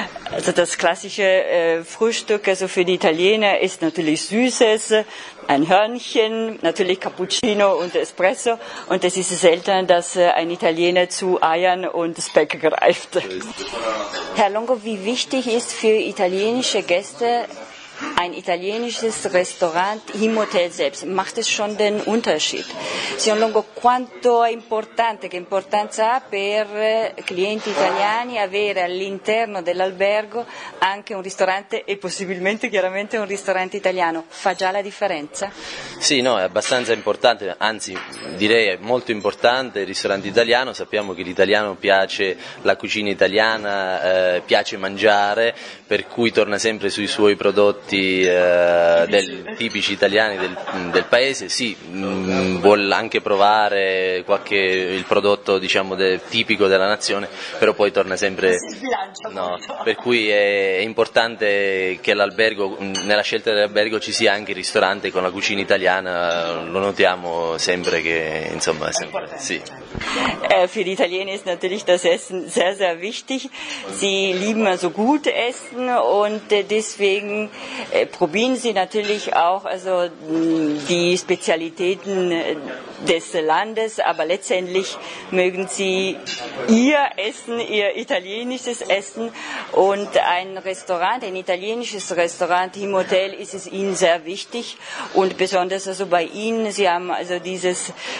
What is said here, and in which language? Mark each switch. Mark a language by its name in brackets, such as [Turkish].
[German] Also das klassische Frühstück also für die Italiener ist natürlich Süßes, ein Hörnchen, natürlich Cappuccino und Espresso. Und es ist selten, dass ein Italiener zu Eiern und Speck greift. Herr Longo, wie wichtig ist für italienische Gäste ein italienisches Restaurant im Hotel selbst? Macht es schon den Unterschied? [Italian] Signor Longo, quanto è importante, che importanza ha per clienti italiani avere all'interno dell'albergo anche un ristorante e possibilmente chiaramente un ristorante italiano? Fa già la differenza? Sì, no, è abbastanza importante, anzi direi è molto importante il ristorante italiano. Sappiamo che l'italiano piace la cucina italiana, piace mangiare, per cui torna sempre sui suoi prodotti tipici italiani del paese. Sì, vuol anche provare il prodotto diciamo tipico della nazione, però poi torna sempre, no, per cui è importante che l'albergo, nella scelta dell'albergo ci sia anche il ristorante con la cucina italiana, lo notiamo sempre che insomma sempre, sì. [German] Für die Italiener ist natürlich das Essen sehr sehr wichtig. Sie lieben also gut essen und deswegen probieren sie natürlich auch also die Spezialitäten des Landes, aber letztendlich mögen sie ihr Essen, ihr italienisches Essen, und ein Restaurant, ein italienisches Restaurant im Hotel ist es ihnen sehr wichtig, und besonders also bei ihnen, sie haben also dieses